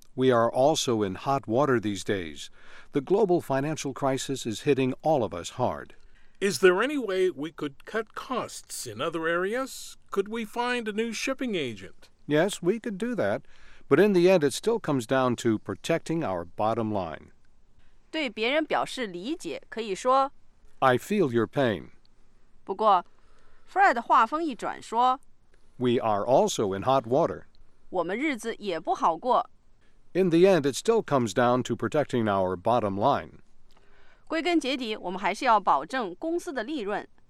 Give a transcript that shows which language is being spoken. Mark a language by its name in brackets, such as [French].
[English] We are also in hot water these days. The global financial crisis is hitting all of us hard. Is there any way we could cut costs in other areas? Could we find a new shipping agent? Yes, we could do that. But in the end, it still comes down to protecting our bottom line. [Chinese] 对别人表示理解可以说 [English] I feel your pain. [Chinese] 不过 Fred 话锋一转说 [English] We are also in hot water. [Chinese] 我们日子也不好过。 [English] In the end, it still comes down to protecting our bottom line. [Chinese] 归根结底我们还是要保证公司的利润。